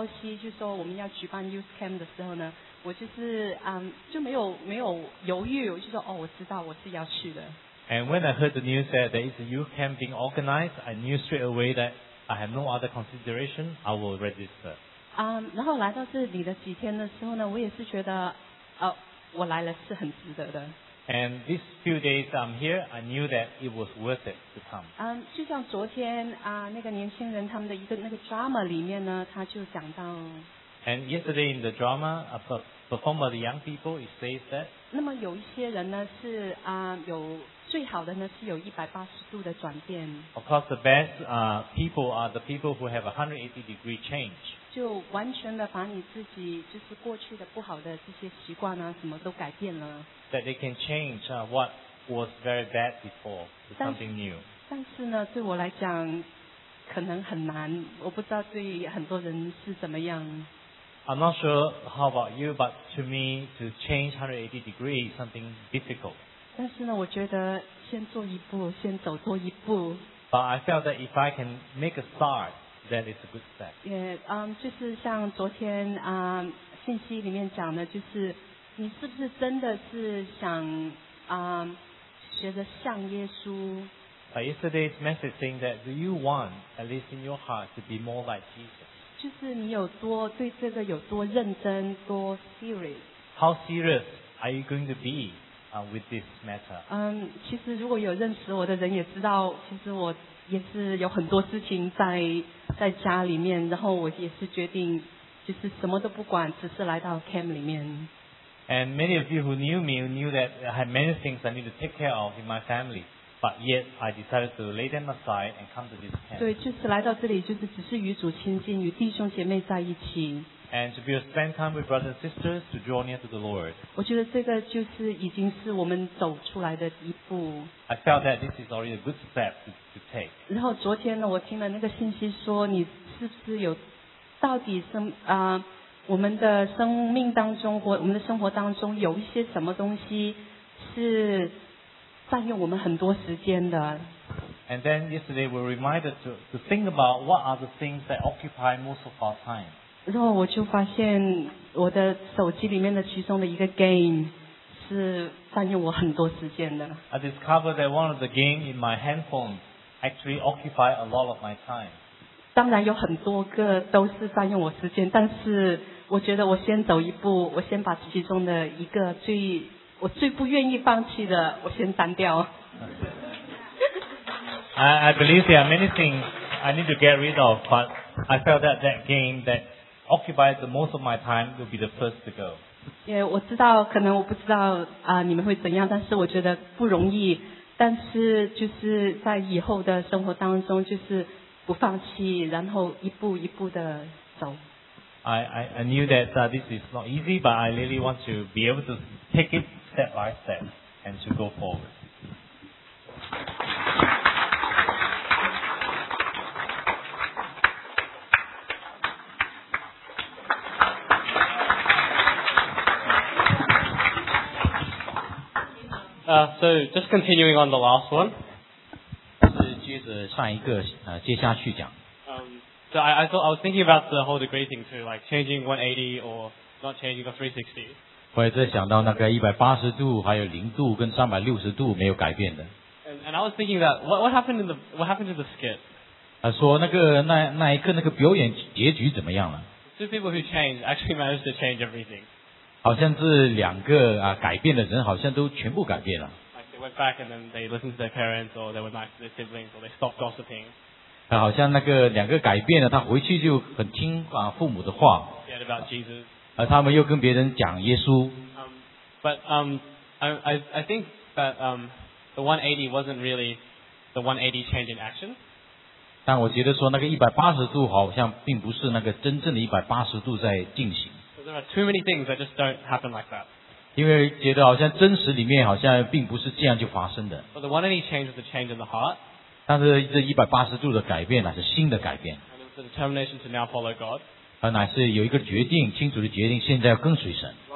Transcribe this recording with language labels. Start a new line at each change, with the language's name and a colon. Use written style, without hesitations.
Chinese: 所以呢，就是当有这个消息，就说我们要举办 Youth Camp 的时候呢，我就是就没有犹豫，我就说哦，我知道我是要去的。
English: And when I heard the news that there is a Youth Camp being organized, I knew straight away that I have no other consideration. I will register.
Chinese: 然后来到这里的几天的时候呢，我也是觉得。我来了是很值得的。
English: And these few days I'm here, I knew that it was worth it to come.
Chinese: 就像昨天那个年轻人他们的一个那个drama里面呢，他就讲到。
English: And yesterday in the drama, a performed by the young people, it says that.
Chinese: 那么有一些人呢是啊、有最好的呢是有180度的转变。
English: Of course, the best people are the people who have a 180-degree change.
Chinese: 就完全的把你自己就是过去的不好的这些习惯啊，什么都改变了。
English: That they can change what was very bad before to something new.
Chinese: 但是呢，对我来讲。可能很难，我不知道对很多人是怎么样。
English: I'm not sure how about you, but to me, to change 180 degrees is something difficult.
Chinese: 但是呢，我觉得先做一步，先走多一步。
English: But I felt that if I can make a start, that is a good step.
Chinese: Yeah, 就是像昨天啊、信息里面讲的，就是你是不是真的是想啊、学着像耶稣？
English: Yesterday's message saying that do you want, at least in your heart, to be more like Jesus?
Chinese: 就是你有多对这个有多认真，多 serious.
English: How serious are you going to be with this matter?
Chinese: 其实如果有认识我的人也知道，其实我也是有很多事情在家里面，然后我也是决定就是什么都不管，只是来到 camp 里面。
English: And many of you who knew me knew that I had many things I need to take care of in my family. But yet, I decided to lay them aside and come to this camp.
Chinese: 对，就是来到这里，就是只是与主亲近，与弟兄姐妹在一起。
English: And to be able to spend time with brothers and sisters to draw near to the Lord.
Chinese: 我觉得这个就是已经是我们走出来的一步。
English: I felt that this is already a good step to take.
Chinese: 然后昨天呢，我听了那个信息说，你是不是有到底是啊、我们的生命当中或我们的生活当中有一些什么东西是。占用我们很多时间的。
English: And then yesterday we were reminded to think about what are the things that occupy most of our time.
Chinese: 然后我就发现我的手机里面的其中的一个 game 是占用我很多时间的。
English: I discovered that one of the games in my handphone actually occupy a lot of my time.
Chinese: 当然有很多个都是占用我时间，但是我觉得我先走一步，我先把其中的一个最我最不愿意放弃的，我先删掉。
English: I believe there are many things I need to get rid of, but I felt that game that occupies the most of my time will be the first to go.
Chinese: Yeah, 我知道，可能我不知道啊、你们会怎样，但是我觉得不容易。但是就是在以后的生活当中，就是不放弃，然后一步一步的走。
English: I knew that this is not easy, but I really want to be able to take it. Step by step, and to go forward. So just continuing on the last one.
Chinese: 是接着上一个接下去讲。
English: So I thought I was thinking about the whole degree thing too, like changing 180 or not changing the 360.
Chinese: 我也在想到那个180度还有0度跟360度没有改变的。
English: And I was thinking that, what happened to the skit?
Chinese: 说那个那一刻那个表演结局怎么样了。
English: Two people who changed actually managed to change everything.
Chinese: 好像是两个、改变的人好像都全部改变了。
English: Like they went back and then they listened to their parents or they were nice to their siblings or they stopped gossiping.
Chinese: 好像那个两个改变了他回去就很听、父母的话。
English: Forget about Jesus.
Chinese: 他们又跟别人讲耶稣。
English: But I think that the 180 wasn't really the 180 change in action.
Chinese: 但我觉得说那个180度好像并不是那个真正的180度在进行。
English: There are too many things that just don't happen like that.
Chinese: 因为觉得好像真实里面好像并不是这样就发生的。
English: But the 180 change is the change in the heart.
Chinese: 但是这180度的改变乃是新的改变。
English: And it's the determination to now follow God.
Chinese: 乃是有一个决定，清楚的决定，现在要跟随神。